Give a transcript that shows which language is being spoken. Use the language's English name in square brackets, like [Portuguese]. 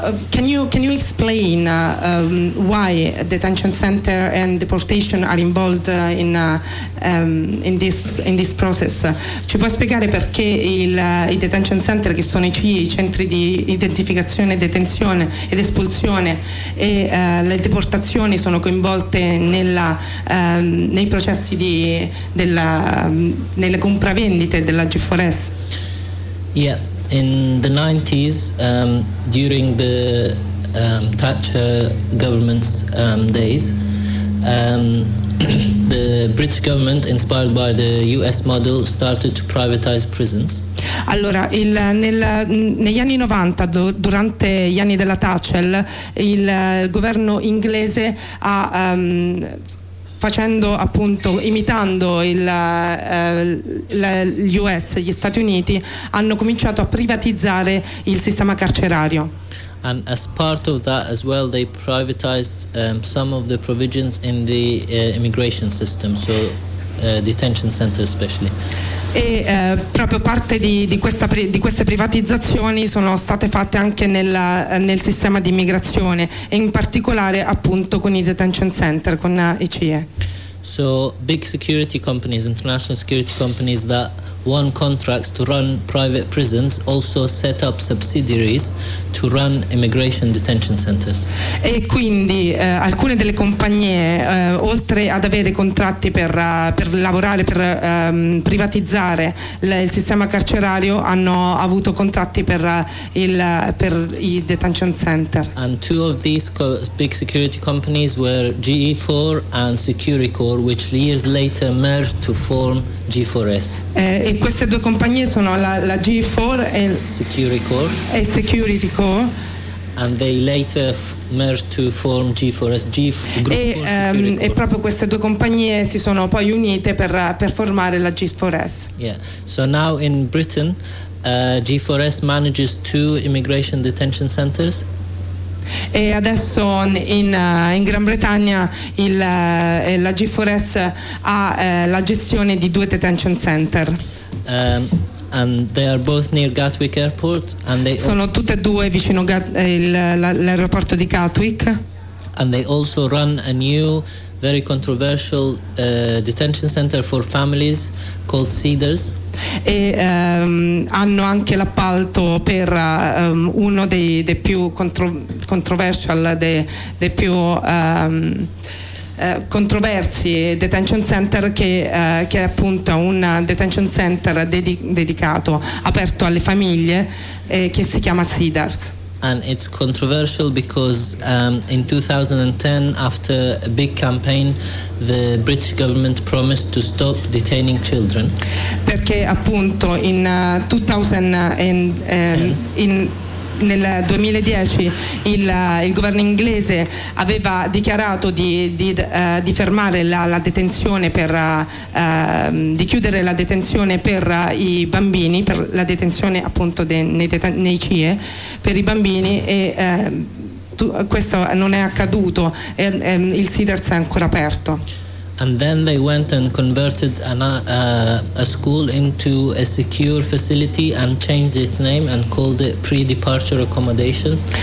[English] Can you explain why detention center and deportation are involved in this process? [Italian] Ci puoi spiegare perché i detention center, che sono i centri di identificazione, detenzione ed espulsione, e le deportazioni sono coinvolte nei processi nelle compravendite della G4S? [English] Yeah. In the 90s, during the Thatcher government's days, the British government, inspired by the US model, started to privatize prisons. [Italian] Allora, negli anni 90, durante gli anni della Thatcher, il governo inglese ha facendo appunto, imitando gli US, gli Stati Uniti, hanno cominciato a privatizzare il sistema carcerario. [English] And as part of that as well, they privatized some of the provisions in the immigration system, so detention center especially. [Italian] E proprio parte di queste privatizzazioni sono state fatte anche nel sistema di immigrazione, e in particolare appunto con i detention center, con i CIE. [English] So big security companies, international security companies that won contracts to run private prisons also set up subsidiaries to run immigration detention centers. [Italian] E quindi alcune delle compagnie, oltre ad avere contratti per lavorare, per privatizzare il sistema carcerario, hanno avuto contratti per i detention center. [English] And two of these big security companies were GE4 and Securicor, which years later merged to form G4S. [Italian] E queste due compagnie sono la G4 e [English] Securicor. [Italian] E Securitycore. [English] And they later merged to form G4S. [Italian] E proprio queste due compagnie si sono poi unite per formare la G4S. [English] Yeah. So now in Britain, G4S manages two immigration detention centers. [Italian] E adesso in Gran Bretagna la G4S ha la gestione di due detention center. [English] And they are both near Gatwick Airport, and they [Italian] sono tutte e due vicino l'aeroporto di Gatwick. [English] And they also run a new, very controversial detention center for families called Cedars. [Italian] E hanno anche l'appalto per uno dei più controversial, dei più controversi detention center, che è appunto un detention center dedicato, aperto alle famiglie, che si chiama Cedars. [English] And it's controversial because in 2010, after a big campaign, the British government promised to stop detaining children. [Italian] Perché appunto in 2010 il governo inglese aveva dichiarato di fermare la detenzione di chiudere la detenzione per i bambini, per la detenzione appunto nei CIE per i bambini, e questo non è accaduto, e il Cedars è ancora aperto. [English] And then they went and converted a school into a secure facility and changed its name and called it pre-departure accommodation.